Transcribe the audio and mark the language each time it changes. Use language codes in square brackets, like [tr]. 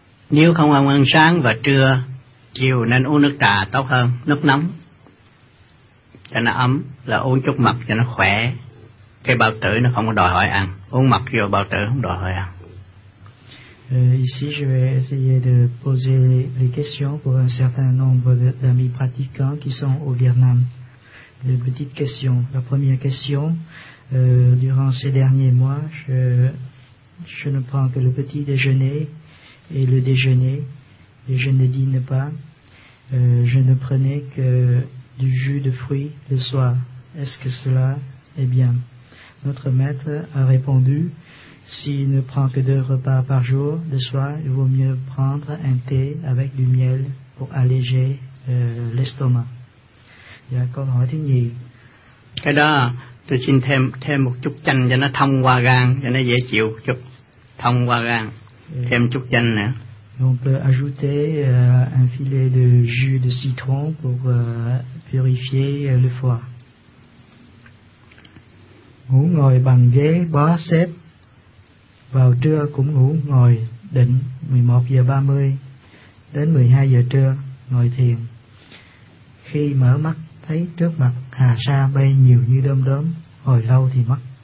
[vi] Nếu không ăn sáng và trưa, chiều nên uống nước trà tốt hơn, nước nóng cho nó ấm, là uống chút mật cho nó khỏe. Cái bao tử nó không có đòi hỏi ăn, uống mật vô bao tử không đòi hỏi ăn. [fr] Ici je vais essayer de poser les questions pour un certain nombre d'amis pratiquants qui sont au Vietnam. De petites questions. La première question, durant ces derniers mois, je ne prends que le petit déjeuner et le déjeuner, et je ne dîne pas. Je ne prenais que du jus de fruits le soir. Est-ce que cela est bien? Notre maître a répondu, s'il ne prend que deux repas par jour, le soir, il vaut mieux prendre un thé avec du miel pour alléger l'estomac. [vi] Dạ, câu hỏi thứ nhì. Cái đó, tôi xin thêm một chút chanh cho nó thông qua gan, cho nó dễ chịu chút, thông qua gan, thêm chút chanh nữa. [fr] On peut ajouter un filet de jus de citron pour purifier le foie. [vi] Ngủ ngồi bằng ghế bó xếp, vào trưa cũng ngủ ngồi định 11:30 đến 12 giờ trưa ngồi thiền. Khi mở mắt thấy trước mặt hà sa bay nhiều như đom đóm, hồi lâu thì mất.